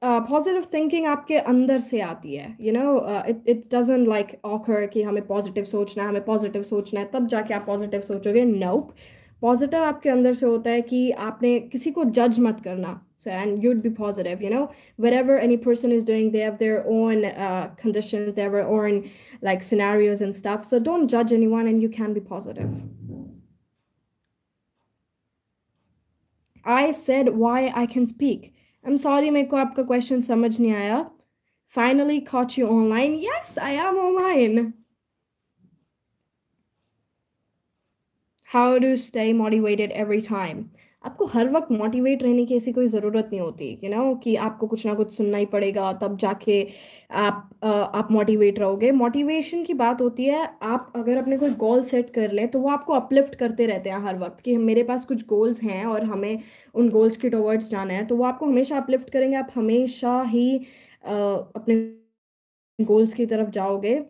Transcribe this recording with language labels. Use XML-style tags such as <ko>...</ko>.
<hi>Positive thinking आपके अंदर से आती है.</hi> <en>It doesn't like occur</en> <hi>कि हमें positive सोचना है, हमें positive सोचना है तब जाके आप positive सोचोगे.</hi> <en>Nope.</en> <hi>Positive आपके अंदर से होता है कि आपने किसी को judge मत करना.</hi> <en>So and you'd be positive. Whatever any person is doing, they have their own conditions, they have their own like scenarios and stuff. So don't judge anyone and you can be positive. I said why I can speak. I'm sorry,</en> <hi>मेरे को आपका question समझ नहीं आया.</hi> <en>Finally caught you online. Yes, I am online. How do you stay motivated every time?</en> <hi>आपको हर वक्त motivate रहने की ऐसी कोई ज़रूरत नहीं होती, कि आपको कुछ ना कुछ सुनना ही पड़ेगा तब जाके आप motivate रहोगे. Motivation की बात होती है, आप अगर अपने कोई गोल सेट कर लें तो वो आपको अपलिफ्ट करते रहते हैं हर वक्त, कि मेरे पास कुछ गोल्स हैं और हमें उन गोल्स के टूवर्ड्स जाना है, तो वो आपको हमेशा अपलिफ्ट करेंगे, आप हमेशा ही अपने गोल्स की तरफ जाओगे.</hi>